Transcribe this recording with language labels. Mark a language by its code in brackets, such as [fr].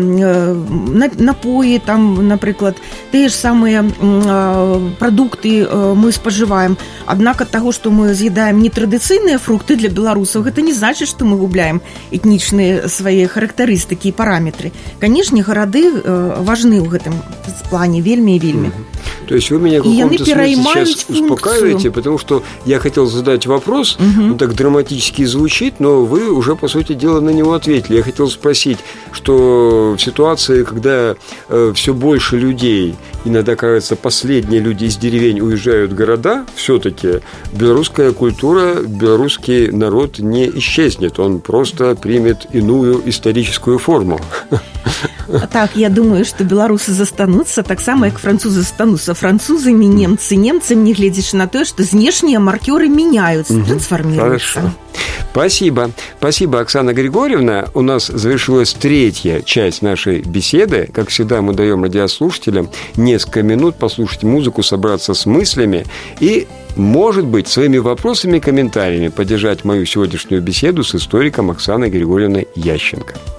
[be] Напоі там, напрыклад, тыя ж самыя прадукты мы спажываем. Аднак ад таго, што мы з'ядаем не традыцыйныя фрукты для беларусаў, гэта не значыць, што мы губляем этнічныя свае характарыстыкі і параметры. Канешне, гарады важны ў гэтым плане вельмі і вельмі. [ru] То есть вы меня в каком-то смысле сейчас успокаиваете, потому что я хотел задать вопрос, он так драматически звучит, но вы уже, по сути дела, на него ответили. Я хотел спросить, что в ситуации, когда все больше людей, иногда, кажется, последние люди из деревень уезжают в города, все-таки белорусская культура, белорусский народ не исчезнет, он просто примет иную историческую форму. [be] Так, я думаю, што беларусы застануцца так само, як французы застануцца французамі, немцы немцам, не гледзячы на тое, што знешнія маркёры мяняюцца, трансфарміруюцца. [ru] Спасибо. Спасибо, Оксана Григорьевна. У нас завершилась третья часть нашей беседы. Как всегда, мы даем радиослушателям несколько минут послушать музыку, собраться с мыслями и, может быть, своими вопросами и комментариями поддержать мою сегодняшнюю беседу с историком Оксаной Григорьевной Ященко.